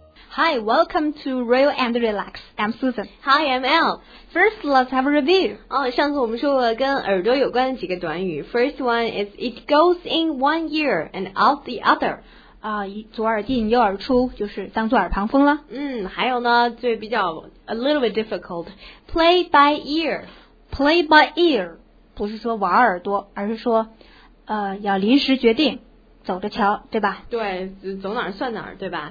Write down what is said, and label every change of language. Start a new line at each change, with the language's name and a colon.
English: Hi, welcome to Real and Relax. I'm Susan. Hi, I'm Al. First, let's have a review.
Chinese: 上次我们说过跟耳朵有关的几个短语。
English: First one is it goes in one ear and out the other.
Chinese: 左耳进右耳出，就是当做耳旁风了。还有呢，就比较
English: a little bit difficult. Play by ear.
Chinese: Play by ear 不是说玩耳朵，而是说要临时决定。走着瞧，对吧？对，走哪儿算哪儿，对吧？